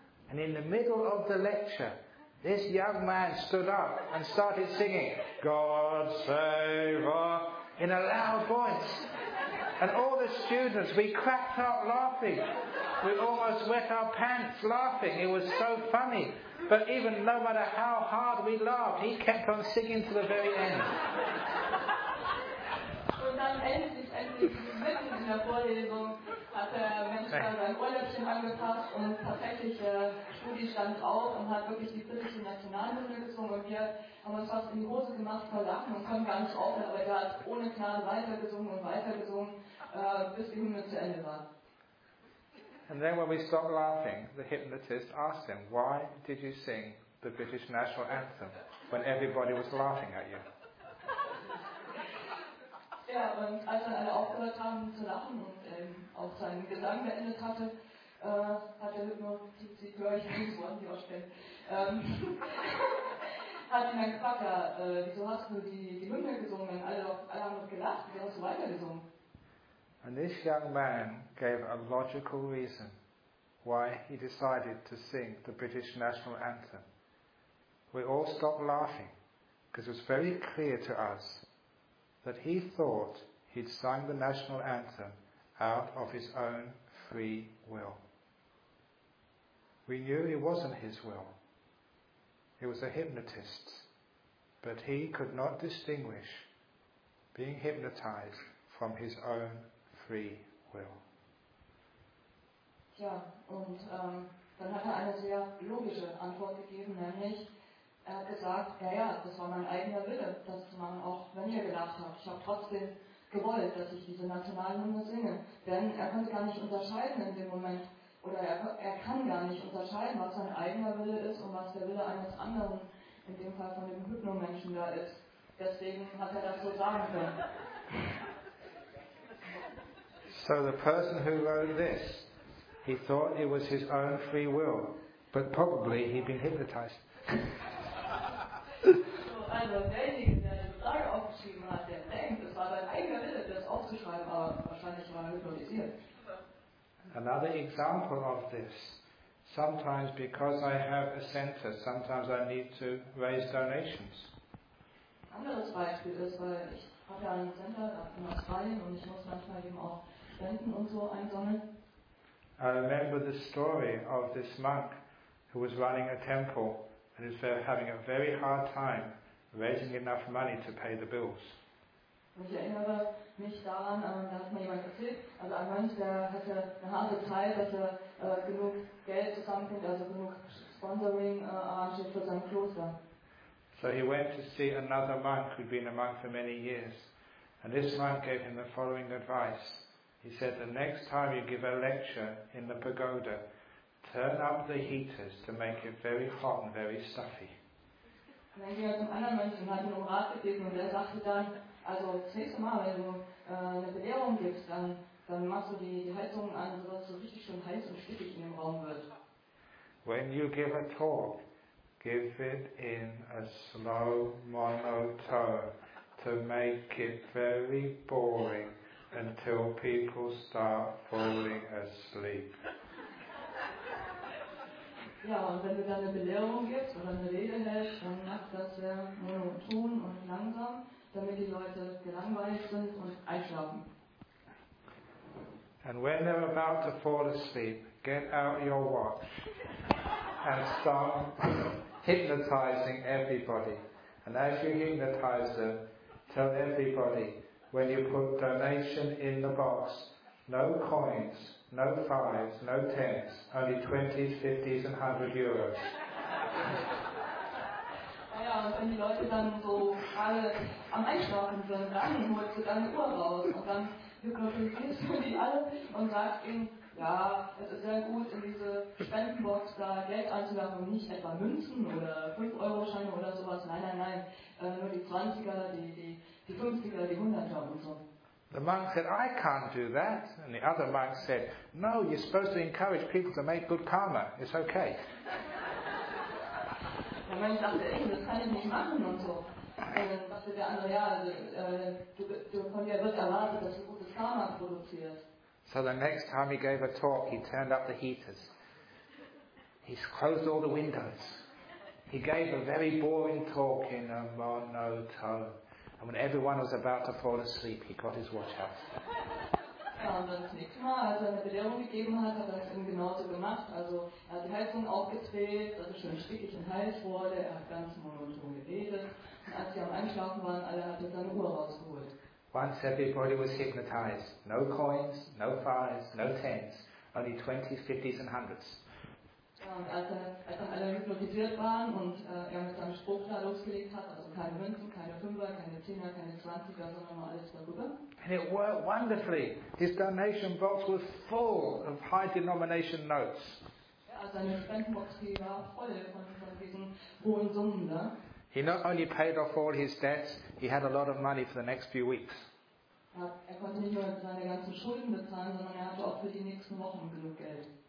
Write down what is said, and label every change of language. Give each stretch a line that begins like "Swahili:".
English: And in the middle of the lecture, this young man stood up and started singing, God save us, in a loud voice. And all the students, we cracked up laughing. We almost wet our pants laughing. It was so funny. But even no matter how hard we laughed, he kept on singing to the very end.
German: Und dann endlich, mitten in der Vorlesung, hat der Mensch sein Ohrläppchen angepasst und tatsächlich Studi stand auf und hat wirklich die britische Nationalhymne gesungen. Und wir haben uns fast in die Hose gemacht vor Lachen und konnten gar nicht aufhören, aber er hat ohne Knall weitergesungen und weitergesungen, bis die Hymne zu Ende war.
English: And then when we stopped laughing, the hypnotist asked him, why did you sing the British national anthem when everybody was laughing at you?
German: Ja, und als dann alle aufgehört haben zu lachen und auch seinen Gesang beendet hatte, hat der Hypnotiseur, ich weiß nicht, die auch stellt, hat ihn dann gefragt, ja, wieso hast du die Hymne gesungen, wenn alle haben gelacht, wie hast du weitergesungen?
English: And this young man gave a logical reason why he decided to sing the British national anthem. We all stopped laughing because it was very clear to us that he thought he'd sung the national anthem out of his own free will. We knew it wasn't his will. It was a hypnotist's. But he could not distinguish being hypnotized from his own free will.
German: Tja, und dann hat er eine sehr logische Antwort gegeben, nämlich er hat gesagt, ja, das war mein eigener Wille, dass man auch, wenn ihr gelacht habt, ich habe trotzdem gewollt, dass ich diese Nationalhymne singe. Denn er konnte gar nicht unterscheiden in dem Moment, oder er kann gar nicht unterscheiden, was sein eigener Wille ist und was der Wille eines anderen in dem Fall von dem Hypnomenschen da ist. Deswegen hat das so sagen können.
English: So the person who wrote this, he thought it was his own free will, but probably he'd been hypnotized.
German: So, also derjenige, der die Frage aufgeschrieben hat, der denkt, es war sein eigener Wille, das aufzuschreiben, aber wahrscheinlich war er hypnotisiert.
English: Another example of this, sometimes because I have a center, sometimes I need to raise donations.
German: Anderes Beispiel ist, weil ich habe ja ein Center in Australien und ich muss manchmal eben auch Spenden und so einsammeln.
English: I remember the story of this monk who was running a temple and is having a very hard time raising enough money to pay the bills.
German: Ich erinnere mich daran, da hat mir jemand erzählt, also ein Mönch, der hatte eine harte Zeit, dass er genug Geld zusammenkriegt, also genug Sponsoring arrangiert für sein Kloster.
English: So he went to see another monk who'd been a monk for many years, and this monk gave him the following advice. He said, the next time you give a lecture in the pagoda, turn up the heaters to make it very hot and very stuffy.
German: Und dann ging er zum anderen Menschen und hat ihn um Rat gebeten und er sagte dann, also das nächste Mal, wenn du eine Belehrung gibst, dann machst du die Heizung an, sodass es so richtig schön heiß und stickig in dem Raum wird.
English: When you give a talk, give it in a slow monotone to make it very boring. Until people start falling asleep.
German: Ja, und wenn du dann eine Belehrung gibst oder eine Rede hältst, dann mach das sehr monoton und langsam, damit die Leute gelangweilt sind und einschlafen.
English: And when they're about to fall asleep, get out your watch and start hypnotizing everybody. And as you hypnotize them, tell everybody, when you put donation in the box, no coins, no fives, no tens, only 20s, 50s and 100 euros.
German: Ja, und wenn die Leute dann so gerade am Einschlafen sind, dann holst du deine Uhr raus und dann hypnotisierst du die alle und sagst ihnen, ja, es ist sehr gut, in diese Spendenbox da Geld einzuwerfen und nicht etwa Münzen oder 5-Euro-Scheine oder sowas, nein, nur die 20er, die 50er, die 100er und so.
English: The monk said, I can't do that. And the other monk said, no, you're supposed to encourage people to make good karma. It's okay.
German: Der Mönch sagte, ey, das kann ich nicht machen und so. Und dann sagte der andere, ja, du von dir wird erwartet, dass du gutes Karma produzierst.
English: So the next time he gave a talk, he turned up the heaters. He closed all the windows. He gave a very boring talk in a monotone. And when everyone was about to fall asleep, he got his watch out.
German: Ja, und das nächste Mal, als er eine Belehrung gegeben hat, hat er es eben genauso gemacht. Also er hat die Heizung aufgedreht, dass es schön stickig und heiß wurde. Er hat ganz monoton geredet. Und als sie am Einschlafen waren, alle hatten seine Uhr rausgeholt.
English: Once everybody was hypnotized. No coins, no fives, no tens. Only 20s, 50s and 100s.
German: Als dann alle hypnotisiert waren und er mit seinem Spruch da losgelegt hat, also keine Münzen, keine Fünfer, keine Zehner, keine Zwanziger, sondern nur alles darüber.
English: And it worked wonderfully. His donation box was full of high denomination notes.
German: Ja, seine Spendenbox war voll von diesen hohen Summen da.
English: He not only paid off all his debts, he had a lot of money for the next few weeks.
German: Er konnte nicht nur seine ganzen Schulden bezahlen, sondern er hatte auch für die nächsten Wochen genug Geld.